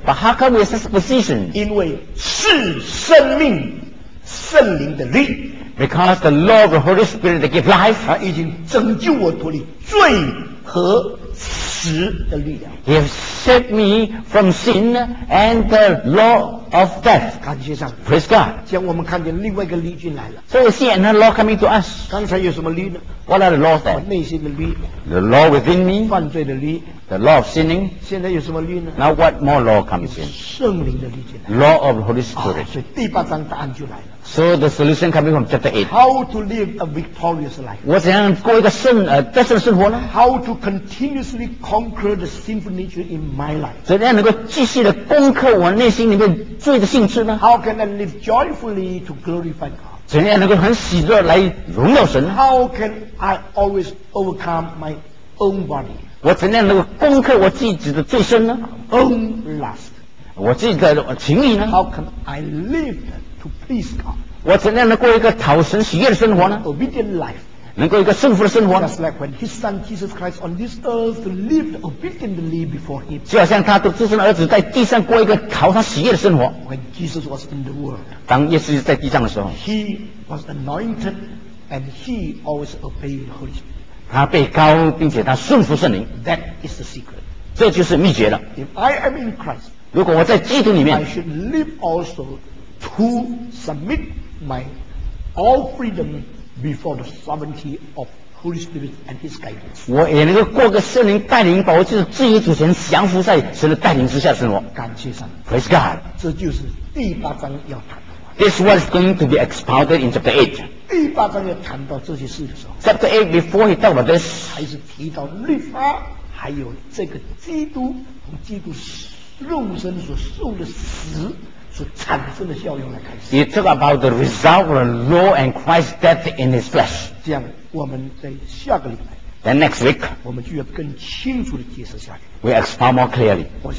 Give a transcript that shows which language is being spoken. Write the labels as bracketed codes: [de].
[en] But how come we have such a position? [zh] 因为是生命圣灵的力。 [en] Because the law of the Holy Spirit that gives life. [zh] 他已经拯救我脱离罪和死的力量。 [en] He has saved me from sin and the law of death. [zh] 感谢上帝。 [en] Praise God. [zh] 将我们看见另外一个律君来了。 [en] So we see another law coming to us. [zh] 刚才有什么律呢？ [en] What are the laws there? [zh] 我内心的律。 [en] The law within me. [zh] 犯罪的律。 [en] The law of sinning. [zh] 现在有什么律呢？ [en] Now what more law comes in? [zh] 圣灵的律君。 [en] Law of the Holy Spirit. [zh] 所以第八章答案就来了。 [en] So the solution coming from chapter 8. How to live a victorious life. [zh] 我怎样过一个胜得胜的生活呢？ [en] How to continuously conquer the sinful nature in my life. [zh] 怎样能够继续的攻克我内心里面罪的性质呢？ [en] How can I live joyfully to glorify God? [zh] 怎样能够很喜乐来荣耀神？ [en] How can I always overcome my own body? [zh] 我怎样能够攻克我自己的罪身呢？ [en] Own lust. [zh] 我自己的情欲呢？ [en] How can I live to please God? [zh] 我怎样能够一个讨神喜悦的生活呢？ [en] Obedient life. [zh] 能够一个顺服的生活。 [en] Just like when His Son Jesus Christ on this earth lived obediently before Him. [zh] 就好像他的自身的儿子在地上过一个讨他喜悦的生活。 [en] When Jesus was in the world. [zh] 当耶稣在地上的时候。 [en] He was anointed and He always obeyed the Holy Spirit. [zh] 他被膏并且他顺服圣灵。 [en] That is the secret. [zh] 这就是秘诀了。 [en] If I am in Christ. [zh] 如果我在基督里面。 [en] I should live also to submit my all freedom before the sovereignty of Holy Spirit and His guidance. [zh] 我也能够过个圣灵带领，把我就是自由主权降服在神的带领之下，神我。感谢神。 [en] Praise God. [zh] 这就是第八章要谈的话。 [en] This was going to be expounded in chapter 8. [zh] 第八章要谈到这些事的时候。 [en] Chapter 8 before he talk about this. [zh] 还是提到律法，还有这个基督从基督肉身所受的死。 [en] He talked about the result of the law and Christ's death in his flesh. Then next week, we expound more clearly.